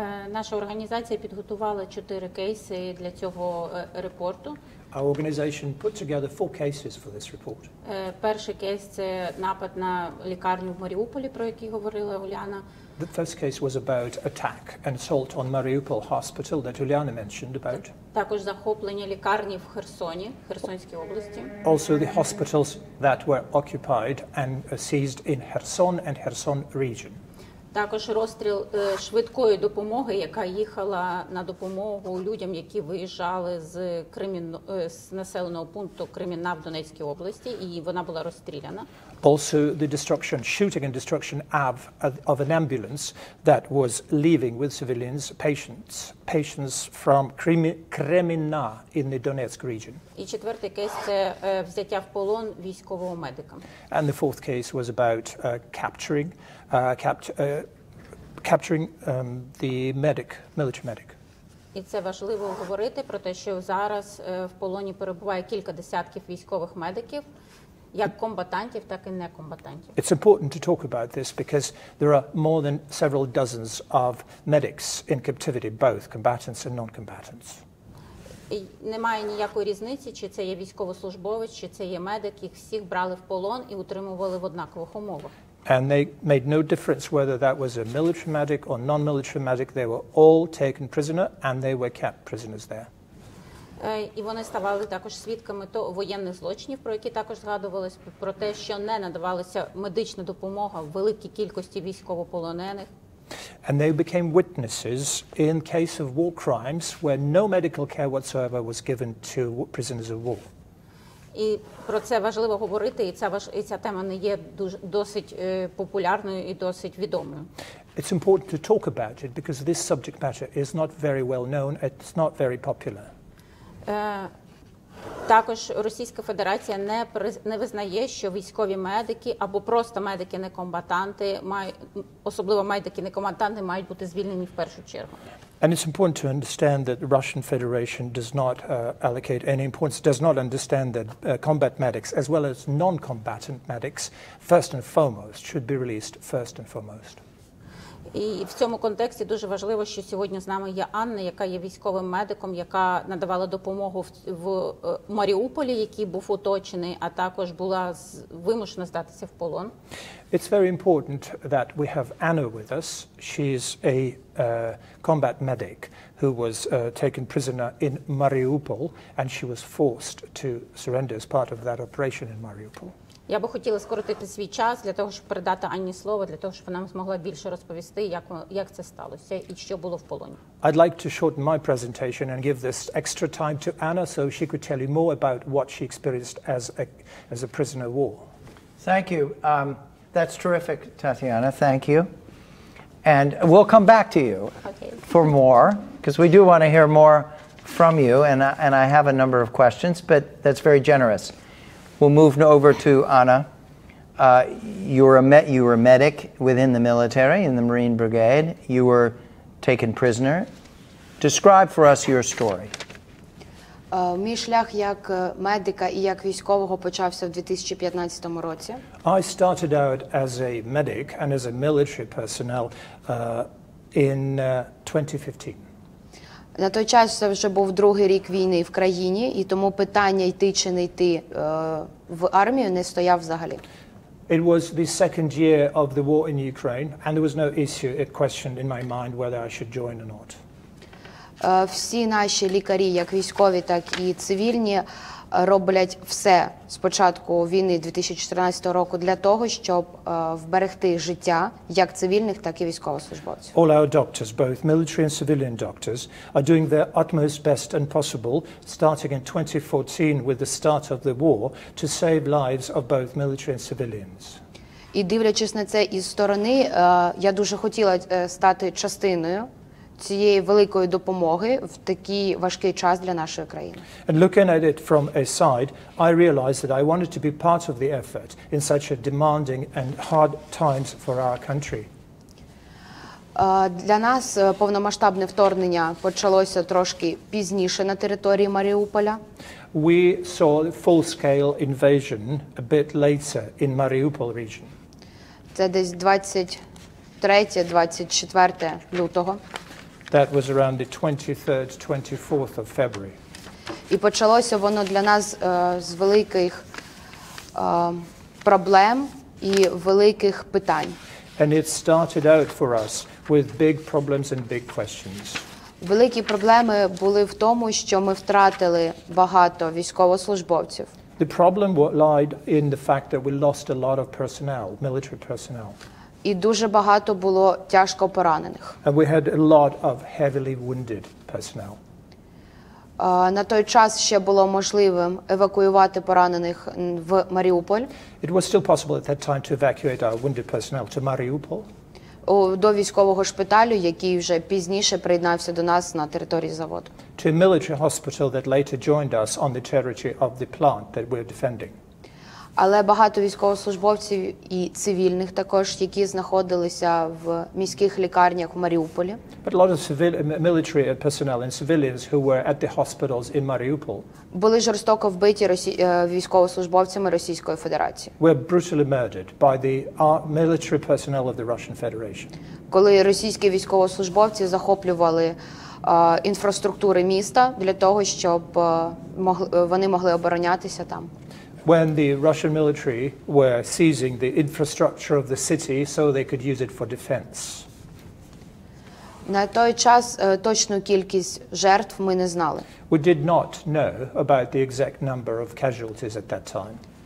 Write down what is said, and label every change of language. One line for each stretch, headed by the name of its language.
Ukrainian: Наша організація підготувала 4 кейси для цього репорту.
English: Our organization put together 4 cases for this report.
Ukrainian: Перший кейс – це напад на лікарню в Маріуполі, про який говорила Уляна.
English: The first case was about attack and assault on Mariupol hospital that Uliana mentioned about.
Ukrainian: Також захоплення лікарні в Херсоні, Херсонській області.
English: Also the hospitals that were occupied and seized in Kherson and Kherson region.
Ukrainian: Також розстріл швидкої допомоги, яка їхала на допомогу людям, які виїжджали з населеного пункту Кремінна в Донецькій області, і вона була розстріляна.
English: Also the destruction, shooting and destruction of an ambulance that was leaving with civilians, patients from Kremina in the Donetsk region.
Ukrainian: І четвертий кейс – це взяття в полон військового медика.
English: And the fourth case was about capturing the medic, military medic.
Ukrainian: І це важливо говорити про те, що зараз в полоні перебуває кілька десятків військових медиків, як комбатантів, так і некомбатантів.
English: It's important to talk about this because there are more than several dozens of medics in captivity, both combatants and non-combatants.
Ukrainian: Немає ніякої різниці, чи це є військовослужбовець, чи це є медик, їх всіх брали в полон і утримували в однакових умовах.
English: And they made no difference whether that was a military medic or non-military medic, they were all taken prisoner and they were kept prisoners there.
Ukrainian: І вони ставали також свідками то воєнних злочинів, про які також згадувалось, про те, що не надавалася медична допомога в великій кількості військовополонених.
English: And they became witnesses in case of war crimes where no medical care whatsoever was given to prisoners of war.
Ukrainian: І про це важливо говорити, і ця тема не є досить популярною і досить відомою.
English: It's important to talk about it because this subject matter is not very well known, it's not very popular.
Ukrainian: Також Російська Федерація не визнає, що військові медики або просто медики-некомбатанти, особливо медики-некомбатанти, мають бути звільнені в першу чергу.
English: And it's important to understand that the Russian Federation does not allocate any importance, does not understand that combat medics, as well as non-combatant medics, first and foremost, should be released first and foremost.
Ukrainian: І в цьому контексті дуже важливо, що сьогодні з нами є Анна, яка є військовим медиком, яка надавала допомогу в Маріуполі, який був оточений, а також була вимушена здатися в полон.
English: It's very important that we have Anna with us. She's a combat medic who was taken prisoner in Mariupol, and she was forced to surrender as part of that operation in Mariupol.
Ukrainian: Я би хотіла скоротити свій час для того, щоб передати Анні слово, для того, щоб вона змогла більше розповісти, як це сталося і що було в полоні.
English: I'd like to shorten my presentation and give this extra time to Anna so she could tell you more about what she experienced as a prisoner of war. Thank you. That's terrific, Tetyana. Thank you. And we'll come back to you for more, because we do want to hear more from you, and I have a number of questions, but that's very generous. We'll move over to Anna. You were a medic within the military, in the Marine Brigade. You were taken prisoner. Describe for us your story.
Ukrainian: Мій шлях як медика і як військового почався в 2015 році.
English: I started out as a medic and as a military personnel in 2015.
Ukrainian: На той час це вже був другий рік війни в країні, і тому питання йти чи не йти в армію не стояв взагалі.
English: It was the second year of the war in Ukraine, and there was no issue, it questioned in my mind whether I should join or not.
Ukrainian: Всі наші лікарі, як військові, так і цивільні, роблять все з початку війни 2014 року для того, щоб вберегти життя як цивільних, так і військовослужбовців.
English: All our doctors, both military and civilian doctors, are doing their utmost best and possible, starting in 2014 with the start of the war, to save lives of both military and civilians.
Ukrainian: І дивлячись на це із сторони, я дуже хотіла стати частиною цієї великої допомоги в такий важкий час для нашої країни.
English: And looking at it from a side, I realized that I wanted to be part of the effort in such a demanding and hard times for our country.
Ukrainian: Для нас повномасштабне вторгнення почалося трошки пізніше на території Маріуполя.
English: We saw full-scale invasion a bit later in Mariupol region.
Ukrainian: Це десь 23-24 лютого.
English: That was around the 23rd, 24th of February.
Ukrainian: І почалося воно для нас з великих проблем і великих питань.
English: And it started out for us with big problems and big questions.
Ukrainian: Великі проблеми були в тому, що ми втратили багато військовослужбовців.
English: The problem lied in the fact that we lost a lot of personnel, military personnel.
Ukrainian: І дуже багато було тяжко поранених.
English: And we had a lot of heavily wounded personnel.
Ukrainian: На той час ще було можливим евакуювати поранених в Маріуполь.
English: It was still possible at that time to evacuate our wounded personnel to Mariupol.
Ukrainian: До військового шпиталю, який вже пізніше приєднався до нас на території заводу.
English: To a military hospital that later joined us on the territory of the plant that we're defending.
Ukrainian: Але багато військовослужбовців і цивільних також, які знаходилися в міських лікарнях в Маріуполі.
English: But a lot of military personnel and civilians who were at the hospitals in Mariupol.
Ukrainian: Були жорстоко вбиті військовослужбовцями Російської Федерації.
English: Were brutally murdered by the military personnel of the Russian Federation.
Ukrainian: Коли російські військовослужбовці захоплювали інфраструктури міста для того, щоб вони могли оборонятися там.
English: When the Russian military were seizing the infrastructure of the city so they could use it for defense.
Ukrainian: На той час точну кількість жертв ми не знали.
English: We did not know about the exact number of casualties at that time.